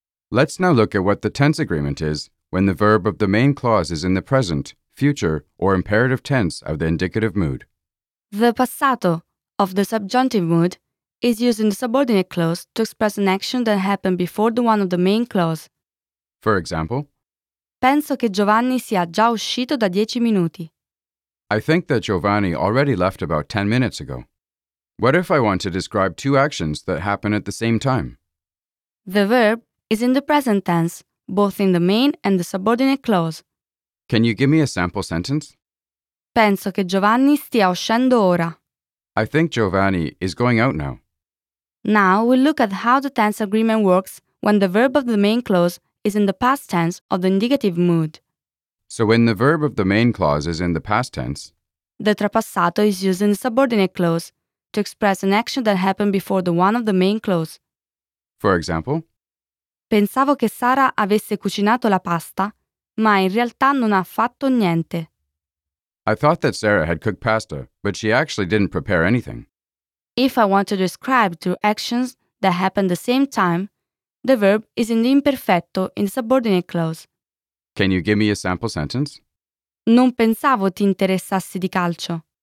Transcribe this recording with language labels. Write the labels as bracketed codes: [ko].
[en] Let's now look at what the tense agreement is when the verb of the main clause is in the present, future, or imperative tense of the indicative mood. The passato of the subjunctive mood is used in the subordinate clause to express an action that happened before the one of the main clause. For example, [it] penso che Giovanni sia già uscito da 10 minuti. [en] I think that Giovanni already left about 10 minutes ago. What if I want to describe two actions that happen at the same time? The verb is in the present tense, both in the main and the subordinate clause. Can you give me a sample sentence? [it] Penso che Giovanni stia uscendo ora. [en] I think Giovanni is going out now. Now we'll look at how the tense agreement works when the verb of the main clause is in the past tense of the indicative mood. So when the verb of the main clause is in the past tense, the trapassato is used in the subordinate clause to express an action that happened before the one of the main clause. For example, [it] pensavo che Sara avesse cucinato la pasta, ma in realtà non ha fatto niente. [en] I thought that Sarah had cooked pasta, but she actually didn't prepare anything. If I want to describe two actions that happen the same time, the verb is in the imperfetto in the subordinate clause. Can you give me a sample sentence? [it] Non pensavo ti interessassi di calcio.